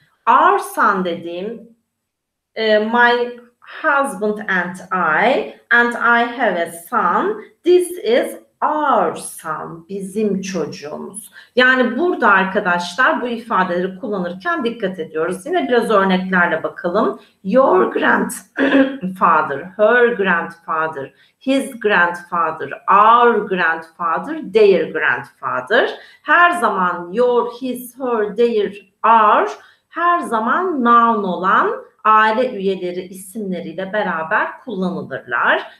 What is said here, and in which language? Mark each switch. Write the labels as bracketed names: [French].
[English] Our son [Turkish] dediğim [English] my husband and I have a son. This is [Turkish] ağırsam bizim çocuğumuz. Yani burada arkadaşlar bu ifadeleri kullanırken dikkat ediyoruz. Yine biraz örneklerle bakalım. [English] Your grandfather, her grandfather, his grandfather, our grandfather, their grandfather. [Turkish] Her zaman your, his, her, their, our, her zaman noun olan aile üyeleri isimleriyle beraber kullanılırlar.